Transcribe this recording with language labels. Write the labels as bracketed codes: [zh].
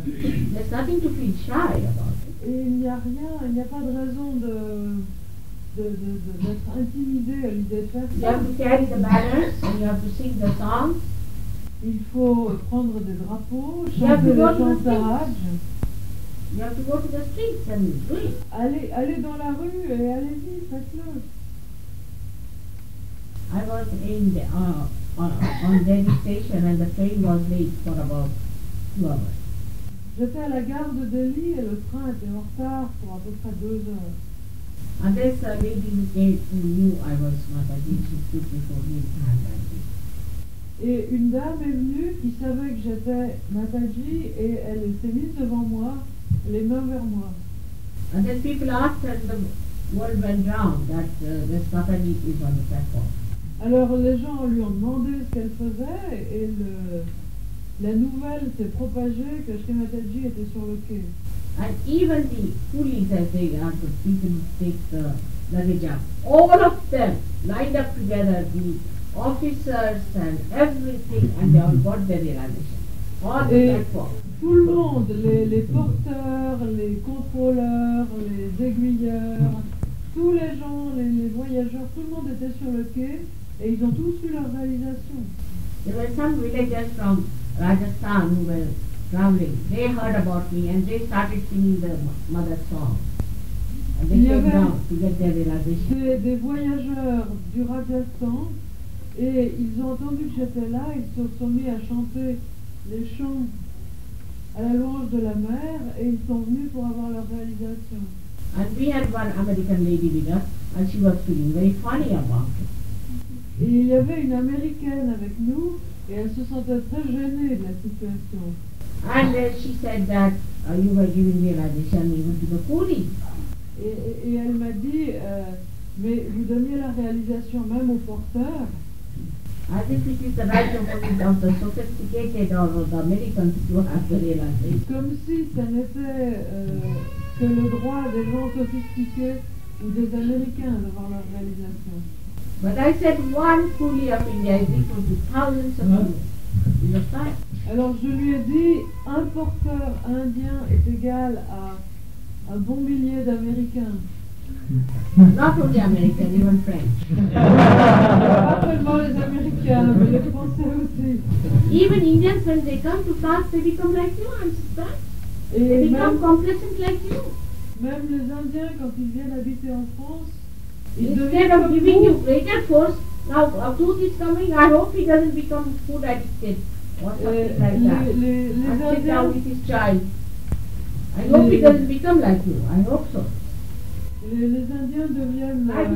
[en] There's nothing to feel shy about. [fr] Et il n'y a rien, il n'y a pas de raison d'être intimidé à l'idée de faire ça. [en] You have to carry the banners and you have to sing the songs. [fr] Il faut prendre des drapeaux, chanter les chants d'arabes. [en] You have to go to the streets and do it. [fr] Allez dans la rue et allez-y, faites-le. [en] I was in the, on Delhi station and the train was late for about 2 hours. [fr] J'étais à la gare de Delhi et le train était en retard pour à peu près 2 heures. [en] And this lady knew I was Mataji, she stood before me and I did. [fr] Et une dame est venue qui savait que j'étais Mataji et elle s'est mise devant moi, les mains vers moi. [en] And then people asked and the world went round that this Bataji is on the platform. [fr] Alors les gens lui ont demandé ce qu'elle faisait et la nouvelle s'est propagée que Shri Mataji était sur le quai. [en] And even the coolies, as they are, the people who take the luggage up, all of them lined up together, the officers and everything, and they all got their realization. On the platform. [fr] Tout le monde, les porteurs, les contrôleurs, les aiguilleurs, tous les gens, les voyageurs, tout le monde était sur le quai et ils ont tous eu leur réalisation. [en] There were some villagers from Rajasthan who were traveling. They heard about me and they started singing the mother song. And they came down to get their realization. [fr] Des voyageurs du Rajasthan et ils ont entendu que j'étais là et ils se sont mis à chanter les chants à la louange de la mer et ils sont venus pour avoir leur réalisation. [en] And we had one American lady with us and she was feeling very funny about it. [fr] Et il y avait une Américaine avec nous et elle se sentait très gênée de la situation. [en] And she said that you were giving me a realization even to the coolie. [fr] Et elle m'a dit mais vous donniez la réalisation même au porteur. [en] As if it is the right of the sophisticated or the Americans to have the realization. [fr] Comme si ça n'était que le droit des gens sophistiqués ou des Américains d'avoir leur réalisation. [en] But I said one coolie of India is equal to thousands of coolies. Is that right? [fr] Alors je lui ai dit, un porteur indien est égal à un bon millier d'Américains. [en] Not only Americans, even French. [fr] Pas seulement les Américains, mais les Français aussi. [en] Even Indians, when they come to France, they become like you, I'm surprised. They become complacent like you. [fr] Même les Indiens, quand ils viennent habiter en France, [en] instead of giving you greater force, now a tooth is coming, I hope he doesn't become food addicted or something like that. Sit down with his child. I hope he doesn't become like you. I hope so. [fr] Les Indiens deviennent.